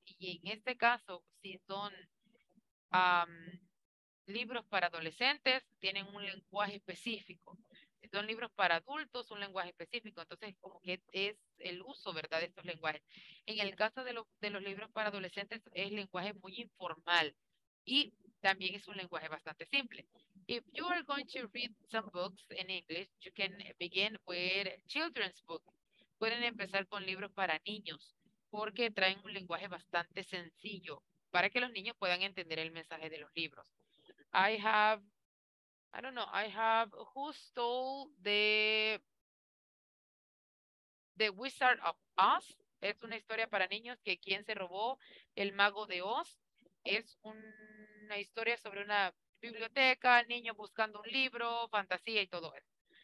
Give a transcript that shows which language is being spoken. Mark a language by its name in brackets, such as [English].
[Spanish] Y en este caso, si son libros para adolescentes, tienen un lenguaje específico. Son libros para adultos, un lenguaje específico. Entonces, como que es el uso, ¿verdad?, de estos lenguajes. En el caso de los libros para adolescentes, es lenguaje muy informal. Y también es un lenguaje bastante simple. [English] If you are going to read some books in English, you can begin with children's books. [Spanish] Pueden empezar con libros para niños, porque traen un lenguaje bastante sencillo para que los niños puedan entender el mensaje de los libros. [English] I have who stole the Wizard of Oz. [Spanish] Es una historia para niños que quién se robó el mago de Oz. Es una historia sobre una biblioteca, niño buscando un libro, fantasía y todo eso.